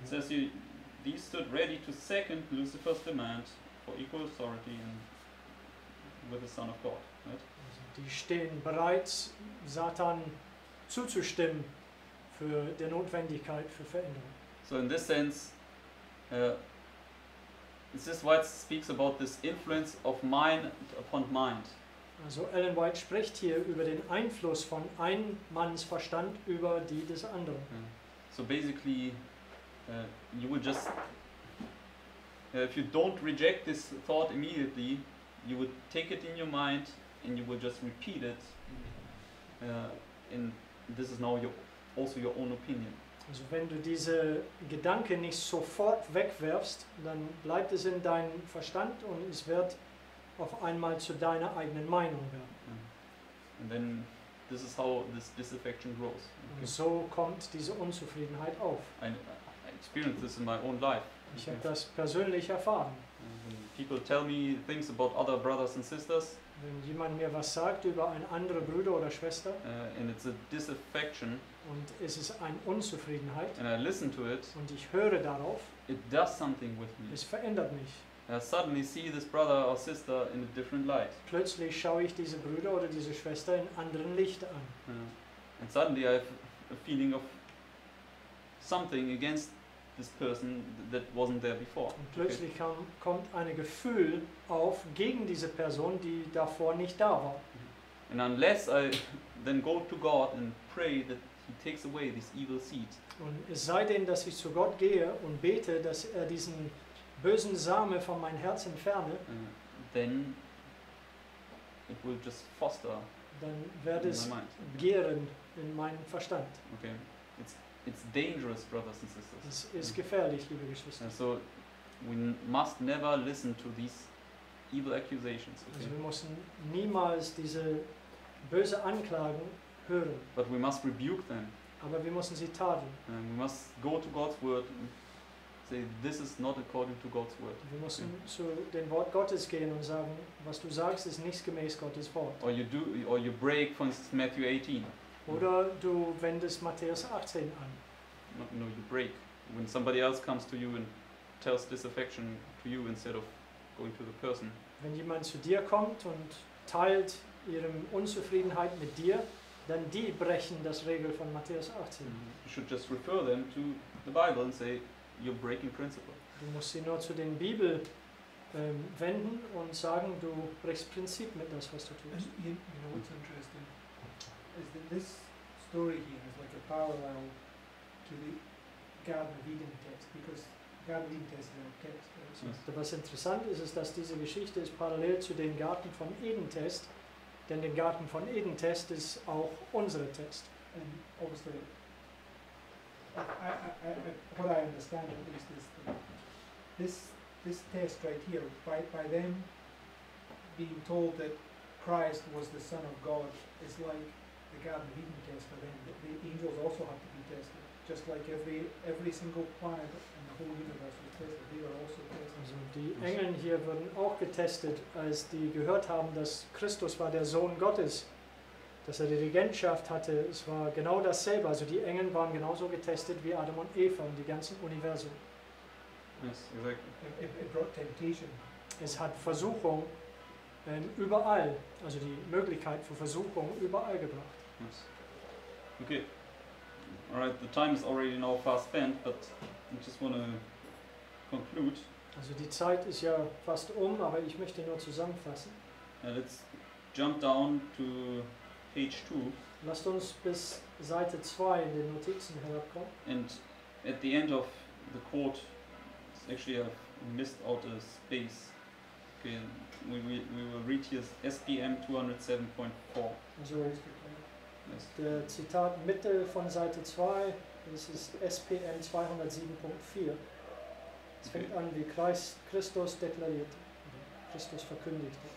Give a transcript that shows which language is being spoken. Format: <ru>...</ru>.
<en>It says he stood ready to second Lucifer's demand for equal authority and with the Son of God. Right?</en> <de>Also, die stehen bereit, Satan zuzustimmen für der Notwendigkeit für Veränderung.</de> <en>So in this sense, this is why it speaks about this influence of mind upon mind.</en> <de>Also Ellen White spricht hier über den Einfluss von einem Manns Verstand über die des anderen.</de> <en>Yeah. So basically, you would just, if you don't reject this thought immediately, you would take it in your mind and you would just repeat it. And this is now also your own opinion.</en> <de>Also wenn du diese Gedanke nicht sofort wegwerfst, dann bleibt es in deinem Verstand und es wird auf einmal zu deiner eigenen Meinung werden.</de> <en>And then this is how this disaffection grows.</en> <de>Okay. So kommt diese Unzufriedenheit auf.</de> <en>I experience this in my own life.</en> <de>Ich habe das persönlich erfahren.</de> <en>People tell me things about other brothers and sisters.</en> <de>Wenn jemand mir was sagt über einen anderen Bruder oder Schwester.</de> <en>And it's a disaffection.</en> <de>Und es ist eine Unzufriedenheit.</de> <en>And I listen to it.</en> <de>Und ich höre darauf.</de> <en>It does something with me.</en> <de>Es verändert mich.</de> <en>I suddenly see this brother or sister in a different light.</en> <de>Plötzlich schaue ich diese Brüder oder diese Schwester in anderen Licht an.</de> <en>And suddenly I have a feeling of something against this person that wasn't there before.</en> <de>Und plötzlich kommt ein Gefühl auf gegen diese Person, die davor nicht da war.</de> <en>And unless I then go to God and pray that He takes away this evil seed.</en> <de>Und es sei denn, dass ich zu Gott gehe und bete, dass er diesen bösen Same von meinem Herz entferne,</de> <en>then it will just foster.</en> <de>Dann wird es gären in meinem Verstand.</de> <en>Okay, it's dangerous, brothers and sisters.</en> <de>Es ist gefährlich, liebe Geschwister.</de> <en>So we must never listen to these evil accusations.</en> <de>Okay? Also wir müssen niemals diese böse Anklagen hören.</de> <en>But we must rebuke them.</en> <de>Aber wir müssen sie tadeln.</de> <en>And we must go to God's word. This is not according to God's word.</en> <de>Wir müssen zu dem Wort Gottes gehen und sagen, was du sagst, ist nicht gemäß Gottes Wort.</de> <en>Or you break from Matthew 18.</en> <de>Oder du wendest Matthäus 18 an.</de> <en>No, you break. When somebody else comes to you and tells disaffection to you instead of going to the person.</en> <de>Wenn jemand zu dir kommt und teilt ihre Unzufriedenheit mit dir, dann die brechen das Regel von Matthäus 18.</de> <en>You should just refer them to the Bible and say, you're breaking principle.</en> <de>Du musst sie nur zu den Bibel wenden und sagen, du brichst Prinzip mit das, was du tust.</de> <en>You know what's interesting is that this story here is like a parallel to the Garden of Eden text, because Garden of Eden text is a text. Yes.</en> <de>Was interessant ist, ist, dass diese Geschichte ist parallel zu dem Garten von Eden text, denn den Garten von Eden text ist auch unsere Text.</de> <en>And obviously. What I understand at least is this test right here, by them being told that Christ was the Son of God, is like the Garden of Eden test for them. The angels also have to be tested, just like every single planet in the whole universe was tested. They were also tested.</en> <de>Also die Engel hier wurden auch getestet, als die gehört haben, dass Christus war der Sohn Gottes. Dass er die Regentschaft hatte, es war genau dasselbe. Also die Engel waren genauso getestet wie Adam und Eva und die ganzen Universum.</de> <en>Yes, exactly. It brought temptation.</en> <de>Es hat Versuchung überall, also die Möglichkeit für Versuchung überall gebracht.</de> <en>Yes. Okay. Alright, the time is already now fast spent, but I just want to conclude.</en> <de>Also die Zeit ist ja fast um, aber ich möchte nur zusammenfassen.</de> <en>Yeah, let's jump down to page 2.</en> <de>Lasst uns bis Seite 2 in den Notizen herabkommen.</de> <en>And at the end of the quote, it's actually I've missed out a space. Okay, we will read here SPM 207.4.</en> <de>Also, der Zitat Mitte von Seite 2, das ist SPM 207.4. Es fängt an, wie Christus deklariert, Christus verkündigt.</de>